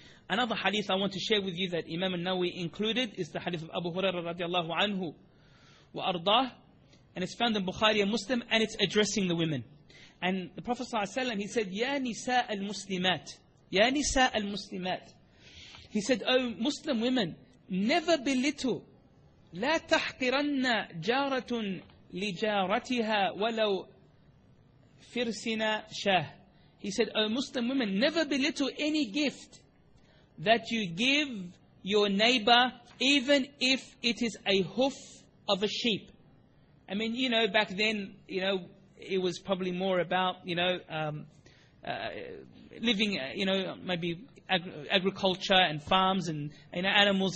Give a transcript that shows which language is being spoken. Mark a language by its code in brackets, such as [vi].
[en] Another hadith I want to share with you that Imam An-Nawawi included is the hadith of Abu Hurairah radiallahu anhu wa ardah. And it's found in Bukhari and Muslim, and it's addressing the women. And the Prophet ﷺ, he said, [ar] Ya Nisa al-Muslimat. Ya Nisa al-Muslimat. [en] He said, O Muslim women, never belittle. [ar] لا تحقرن جارة لجارتها ولو فرسنا شاه. [en] He said, O Muslim women, never belittle any gift that you give your neighbor, even if it is a hoof of a sheep. I mean, you know, back then, you know, it was probably more about, you know, living, you know, maybe agriculture and farms and, you know, animals.